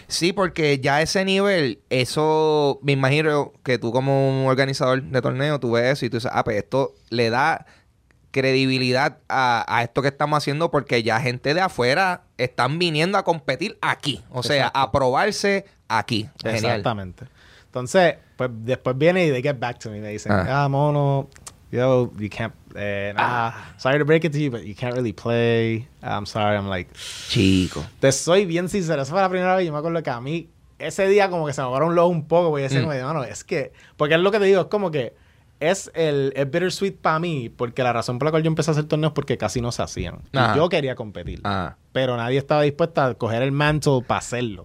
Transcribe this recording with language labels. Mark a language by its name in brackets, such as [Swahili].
[Spanish] Sí, porque ya a ese nivel, eso, me imagino que tú como un organizador de torneo, tú ves eso y tú dices, pues esto le da credibilidad a esto que estamos haciendo porque ya gente de afuera están viniendo a competir aquí. O sea, a probarse aquí. Genial. Exactamente. Entonces, pues después viene y [English] they get back to me. [Spanish] Me dicen, mono, [English] you can't... sorry to break it to you, but you can't really play. I'm sorry. I'm like... [Spanish] Chico. Te soy bien sincero. Eso fue la primera vez. Yo me acuerdo que a mí, ese día como que se me agarró un lobo un poco. Voy a decir, mano, es que... Porque es lo que te digo, es como que... Es bittersweet para mí, porque la razón por la cual yo empecé a hacer torneos es porque casi no se hacían. Y yo quería competir. Ajá. Pero nadie estaba dispuesto a coger el mantle para hacerlo.